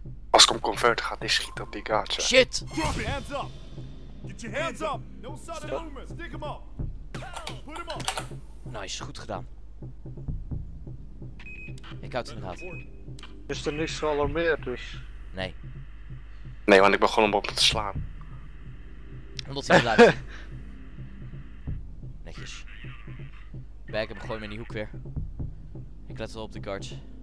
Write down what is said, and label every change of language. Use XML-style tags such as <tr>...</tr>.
<nl>Als ik hem convert, gaat hij schieten op die guards.</nl> <en>Shit! Get your hands up! Get your hands up! No sudden movement! Stick him up! Put him up! Nice,</en> <nl>goed gedaan. Ik houd het in de gaten. Is er niks gealarmeerd dus? Nee. Nee, want ik begon hem op te slaan. Omdat hij blijft. Netjes. Back hem, gooi hem in die hoek weer. Ik let wel op de guards.</nl>